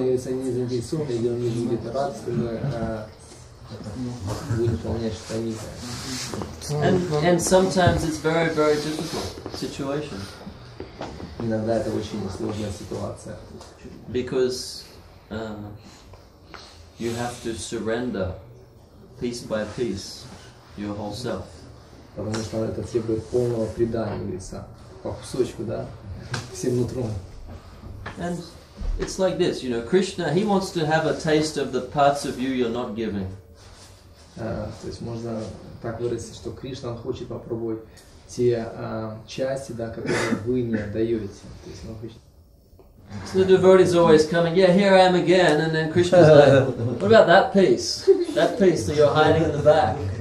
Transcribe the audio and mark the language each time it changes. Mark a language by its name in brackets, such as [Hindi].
[Russian] Если он не заинтересован, или он не будет рад, скажи, будет выполнять штани. [English] And sometimes it's very, very difficult situation. [Russian] Иногда это очень сложная ситуация. [English] Because you have to surrender piece by piece your whole self. [Russian] Потому что это требует полного предания лица, по кусочку, да, всем нутром. [English] And it's like this, you know, Krishna, he wants to have a taste of the parts of you you're not giving. [Russian] То есть можно так выразиться, что Кришна, он хочет попробовать те части, да, которые вы не отдаете. То есть он хочет. [English] So the devotee is always coming, yeah, here I am again, and then Krishna is like, what about that piece? That piece that you're hiding in the back.